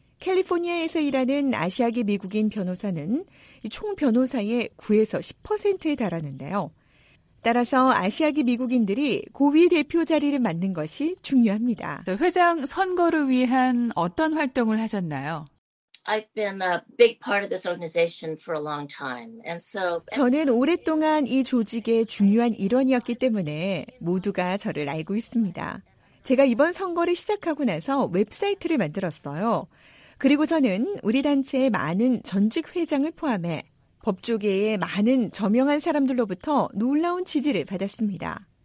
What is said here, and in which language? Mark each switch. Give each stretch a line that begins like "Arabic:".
Korean: 캘리포니아에서 일하는 아시아계 미국인 변호사는 총 변호사의 9에서 10%에 달하는데요. 따라서 아시아계 미국인들이 고위 대표 자리를 맡는 것이 중요합니다. 회장 선거를 위한 어떤 활동을 하셨나요?
English: I've been a big part of this organization for a long time. And so
Korean: 저는 오랫동안 이 조직의 중요한 일원이었기 때문에 모두가 저를 알고 있습니다. 제가 이번 선거를 시작하고 나서 웹사이트를 만들었어요. 그리고 저는 우리 단체의 많은 전직 회장을 포함해 법조계의 많은 저명한 사람들로부터 놀라운 지지를 받았습니다.